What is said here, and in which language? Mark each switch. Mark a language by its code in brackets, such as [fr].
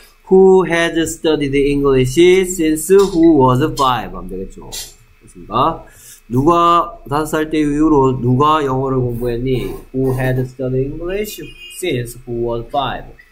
[en] Who has studied English since who was five? [ko] 하면 되겠죠. 그렇습니까? 누가, 5살 때 이후로 누가 영어를 공부했니? [en] Who had studied English since who was five?